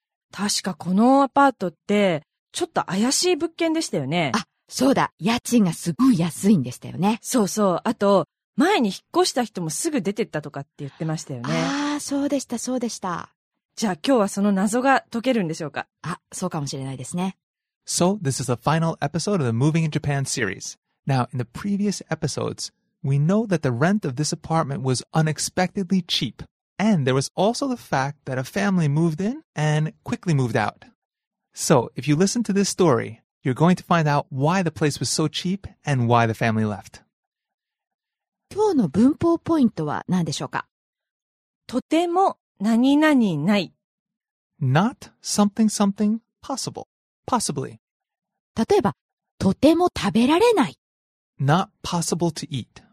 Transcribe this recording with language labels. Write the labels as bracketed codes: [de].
[ja] 確かこのアパートってちょっと怪しい物件でしたよね。あ、そうだ。家賃がすごい安いんでしたよね。そうそう。あと、前に引っ越した人もすぐ出てったとかって言ってましたよね。ああ、そうでした、そうでした。じゃあ今日はその謎が解けるんでしょうか。あ、そうかもしれないですね。 [en] So, this is the final episode of the Moving in Japan series. Now, in the previous episodes, we know that the rent of this apartment was unexpectedly cheap. And there was also the fact that a family moved in and quickly moved out. So, if you listen to this story, you're going to find out why the place was so cheap and why the family left. [ja] 今日の文法ポイントは何でしょうか？とても何々ない。 [en] Not something something possible. Possibly. [ja] 例えば、とても食べられない。 [en] Not possible to eat.